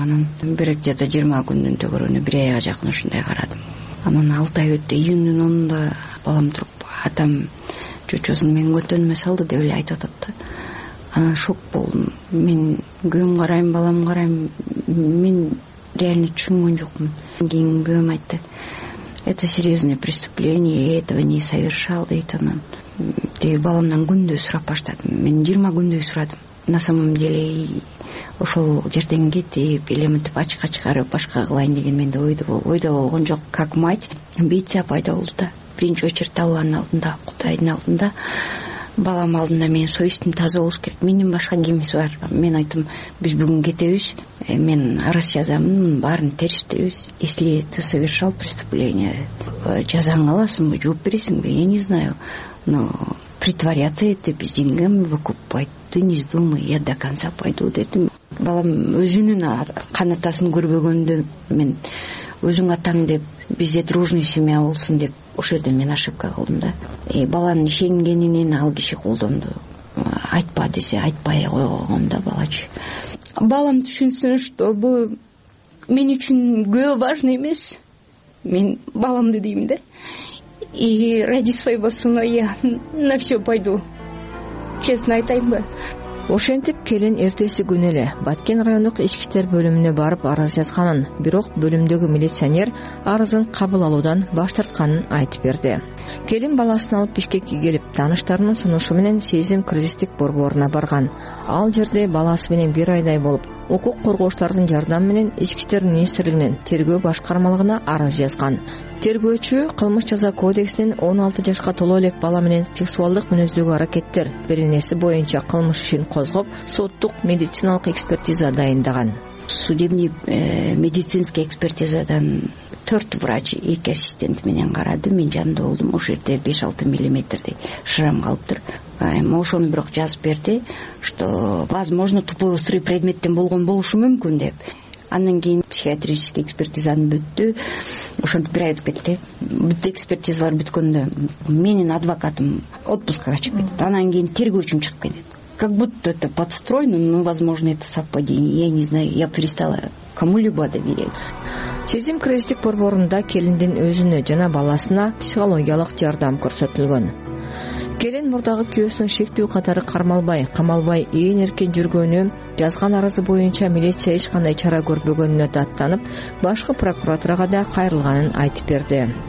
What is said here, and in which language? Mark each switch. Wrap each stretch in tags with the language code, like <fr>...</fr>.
<ky>Анан бир где-то 20 күндүн төгөрүнө 1 айга жакын ушундай карадым. Анан 6 ай өттү. Июндун 10-унда балам туруп атам чочосун менин көтөнүмө салды деп эле айтып атат да. Анан шок болдум. Мен күйөөм карайм, балам карайм, мен реально түшүнгөн жокмун. Кийин күйөөм айтты:</ky> <ru>это серьезное преступление, я этого не совершал дейт.</ru> <ky>Анан тиги баламдан күндөй сурап баштадым. Мен 20 күндөй сурадым.</ky> <ru>На самом деле</ru> <ky>ошол жерден кетип эле мынтип ачыкка чыгарып башка кылайын деген менде ойдо болгон жок.</ky> <ru>Как мать</ru> <ky>амбиция пайда болду да. Биринчи очередь алланын алдында, кудайдын алдында, балам алдында мен совестим таза болуш керек. Менден башка кимиси бар? Мен айттым, биз бүгүн кетебиз, мен арыз жазамын, баарын териштиребиз.</ky> <ru>Если ты совершал преступление,</ru> <ky>жазаң аласыңбы, жооп бересиңби?</ky> <ru>Я не знаю, но притворяться это без деньгами выкупать, ты не вздумай, я до конца пойду дедим.</ru> <ky>Балам өзүнүн кан атасын көрбөгөндө мен өзүң атаң деп бизде</ky> <ru>дружный семья</ru> <ky>болсун деп ошол жерде мен ошибка кылдым да. Баланын ишенгенинен ал киши колдонду. Айтпа десе айтпай койгом да балачы. Балам түшүнсүн, что бул мен үчүн күйөө важный эмес. Мен баламды дейм да.</ky> <ru>И ради своего сына я на все пойду.</ru> <ky>Честно айтайынбы. Ошентип келин эртеси күнү эле Баткен райондук ички иштер бөлүмүнө барып арыз жазганын, бирок бөлүмдөгү милиционер арызын кабыл алуудан баш тартканын айтып берди. Келин баласын алып Бишкекке келип, тааныштарынын сунушу менен сезим кризистик борборуна барган. Ал жерде баласы менен 1 айдай болуп, укук коргоочулардын жардамы менен ички иштер министрлигинин тергөө башкармалыгына арыз жазган. Тергөөчү кылмыш жаза кодексинин 16 жашка толуу элек бала менен сексуалдык мүнөздөгү аракеттер беренеси боюнча кылмыш ишин козгоп, соттук медициналык экспертиза дайындаган.</ky> <ru>Судебный медицинский</ru> <ky>экспертизадан 4 врач, 2 ассистент менен карады. Мен жанында болдум. Ошол жерде 5-6 миллиметрдей шрам калыптыр. Ошону бирок жазып берди,</ky> <ru>что возможно тупой острый</ru> <ky>предметтен болгон болушу мүмкүн деп. Анан кийин психиатрический экспертизанын бүттү. Ошентип 1 ай өтүп кетти. Бүт экспертизалар бүткөндө менин адвокатым отпускага чыгып кетет. Анан кийин тергөөчүм чыгып кетет.</ky> <ru>Как будто это подстроено, но, возможно, это совпадение. Я не знаю, я перестала кому-либо доверять.</ru> <ky>Сезим кризистик борборунда келиндин өзүнө жана баласына психологиялык жардам көрсөтүлгөн. Келин мурдагы күйөөсүн шектүү катары кармалбай, камалбай ээн эркин жүргөнү, жазган арызы боюнча милиция эч кандай чара көрбөгөнүнө даттанып, башкы прокуратурага да кайрылганын айтып берди.</ky>